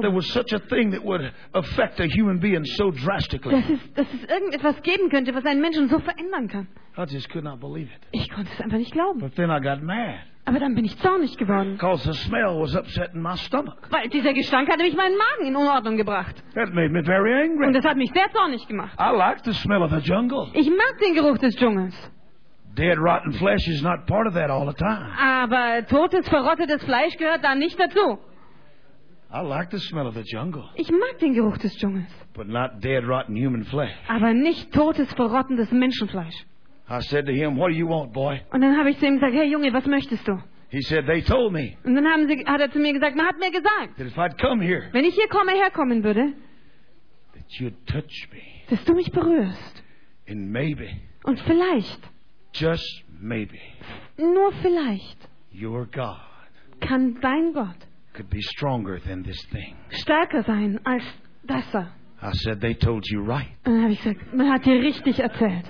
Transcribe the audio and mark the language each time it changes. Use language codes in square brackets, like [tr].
[en] That there was such a thing that would affect a human being so drastically. [de] Dass es irgendetwas geben könnte, was einen Menschen so verändern kann. [en] I just could not believe it. [de] Ich konnte es einfach nicht glauben. [en] But then I got mad. [de] Aber dann bin ich zornig geworden. [en] Because the smell was upsetting my stomach. [de] Weil dieser Gestank hatte mich meinen Magen in Unordnung gebracht. [en] That made me very angry. [de] Und das hat mich sehr zornig gemacht. [en] I like the smell of the jungle. [de] Ich mag den Geruch des Dschungels. [en] Dead rotten flesh is not part of that all the time. [de] Aber totes verrottetes Fleisch gehört da nicht dazu. [en] I like the smell of the jungle. [de] Ich mag den Geruch des Dschungels. [en] But not dead rotten human flesh. [de] Aber nicht totes verrottendes Menschenfleisch. [en] I said to him, "What do you want, boy?" [de] Und dann habe ich zu ihm gesagt, "Hey Junge, was möchtest du?" [en] He said, "They told me." [de] Und dann hat er zu mir gesagt, man hat mir gesagt. [en] That if I'd come here. [de] Wenn ich hier komme herkommen würde. [en] That you'd touch me. [de] Dass du mich berührst. [en] And maybe. [de] Und vielleicht. [en] Just maybe. [de] Nur vielleicht. [en] Your God. [de] Kann dein Gott. [en] Could be stronger than this thing. [de] Stärker sein als das. [en] I said they told you right. [de] Und dann habe ich gesagt, man hat dir richtig erzählt.